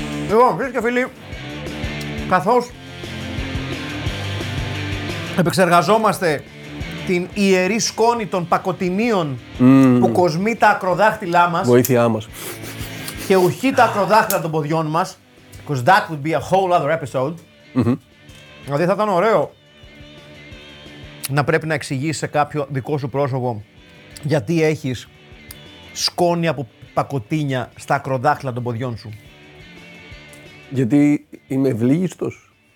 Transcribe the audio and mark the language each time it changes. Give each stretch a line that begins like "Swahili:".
Greek: Λοιπόν, φίλες και φίλοι, καθώς επεξεργαζόμαστε την ιερή σκόνη των πακοτινίων που κοσμεί τα ακροδάχτυλά μας. Βοήθειά μας. Και ουχεί τα ακροδάχτυλα των ποδιών μας.
English: Because that would be a whole other episode. Mm-hmm.
Greek: Δηλαδή θα ήταν ωραίο να πρέπει να εξηγήσεις σε κάποιο δικό σου πρόσωπο γιατί έχεις σκόνη από πακοτίνια στα ακροδάχτυλα των ποδιών σου. Γιατί είμαι ευλίγιστος.